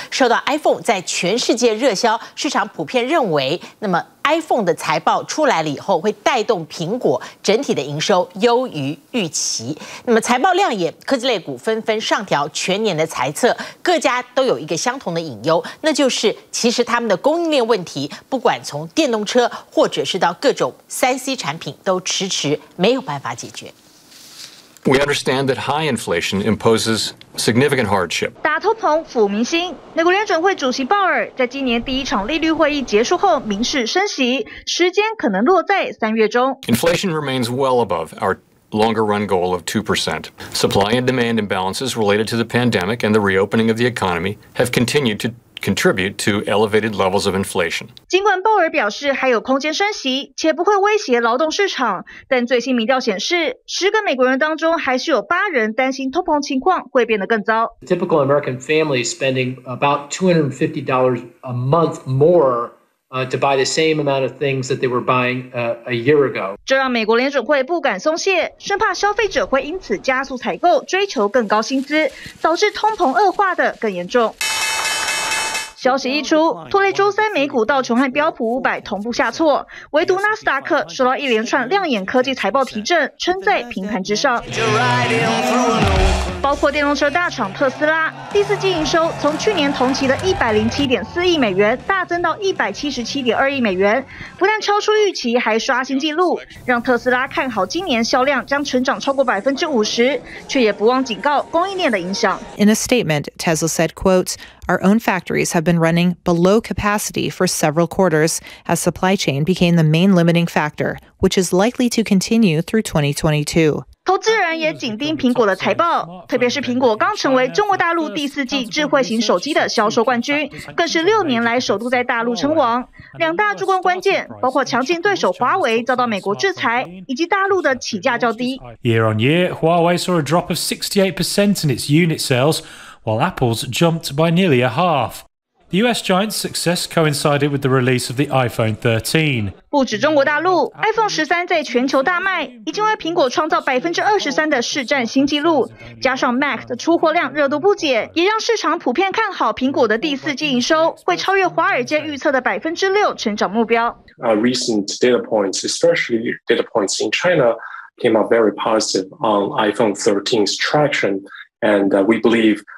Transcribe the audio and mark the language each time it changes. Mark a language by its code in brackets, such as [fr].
[zh] 受到 iPhone 在全世界热销，市场普遍认为，那么iPhone 的财报出来了以后，会带动苹果整体的营收优于预期。那么财报亮眼，科技类股纷纷上调全年的财测，各家都有一个相同的隐忧，那就是其实他们的供应链问题，不管从电动车或者是到各种 3C 产品，都迟迟没有办法解决。 [en] We understand that high inflation imposes significant hardship. [zh] 打通膨抚民心。美国联准会主席鲍尔在今年第一场利率会议结束后明示升息，时间可能落在3月中。 [en] Inflation remains well above our longer run goal of 2%. Supply and demand imbalances related to the pandemic and the reopening of the economy have continued to contribute to elevated levels of inflation. [zh] 尽管鲍尔表示还有空间升息，且不会威胁劳动市场，但最新民调显示，10个美国人当中还是有8人担心通膨情况会变得更糟。 [en] The typical American family is spending about $250 a month more to buy the same amount of things that they were buying a year ago. [zh] 这让美国联准会不敢松懈，生怕消费者会因此加速采购，追求更高薪资，导致通膨恶化的更严重。消息一出，拖累周三美股道琼和标普500同步下挫，唯独纳斯达克受到一连串亮眼科技财报提振，撑在平盘之上。包括电动车大厂特斯拉，第四季营收从去年同期的107.4亿美元大增到177.2亿美元，不但超出预期，还刷新纪录，让特斯拉看好今年销量将成长超过50%，却也不忘警告供应链的影响。 [en] In a statement, Tesla said, "Quote." Our own factories have been running below capacity for several quarters as supply chain became the main limiting factor, which is likely to continue through 2022. [zh] 投资人也紧盯苹果的财报，特别是苹果刚成为中国大陆第四季智慧型手机的销售冠军，更是6年来首度在大陆称王。两大助攻关键包括强劲对手华为遭到美国制裁，以及大陆的起价较低。 [en] Year on year, Huawei saw a drop of 68% in its unit sales, while Apple's jumped by nearly a half. The US giant's success coincided with the release of the iPhone 13. [zh] 不止中国大陆 ，iPhone 13在全球大卖，已经为苹果创造23%的市占新纪录。加上 Mac 的出货量热度不减，也让市场普遍看好苹果的第四季营收会超越华尔街预测的6%成长目标。 [en] Recent data points, especially data points in China, came out very positive on iPhone 13's traction, and we believe.